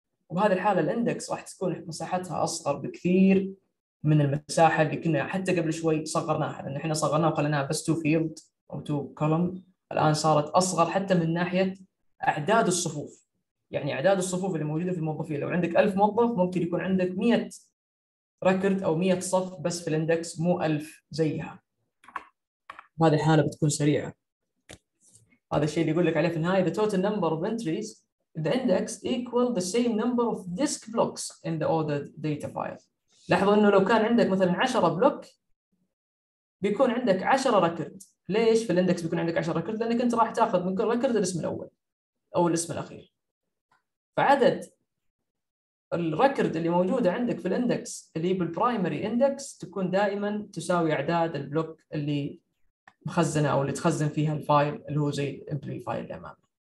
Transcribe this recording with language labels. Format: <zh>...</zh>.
<ar>وبهذه الحاله الاندكس راح تكون مساحتها اصغر بكثير من المساحه اللي كنا حتى قبل شوي صغرناها، لان احنا صغرناها وخليناها بس تو فيلد او تو كولم، الان صارت اصغر حتى من ناحيه اعداد الصفوف. يعني اعداد الصفوف اللي موجوده في الموظفين، لو عندك 1000 موظف ممكن يكون عندك 100 ريكورد او 100 صف بس في الاندكس مو 1000 زيها. بهذه الحاله بتكون سريعه. هذا الشيء اللي يقول لك عليه في النهايه:</ar> <en>the total number of entries in the index equal the same number of disk blocks in the ordered data file.</en> <ar>لاحظوا انه لو كان عندك مثلا 10 بلوك بيكون عندك 10 ريكورد. ليش في الاندكس بيكون عندك 10 ريكورد؟ لانك انت راح تاخذ من كل ريكورد الاسم الاول او الاسم الاخير. فعدد الريكورد اللي موجوده عندك في الاندكس اللي هي بالبرايمري اندكس تكون دائما تساوي اعداد البلوك اللي مخزنه او اللي تخزن فيها الفايل اللي هو زي الامبلوي فايل اللي امامك.</ar>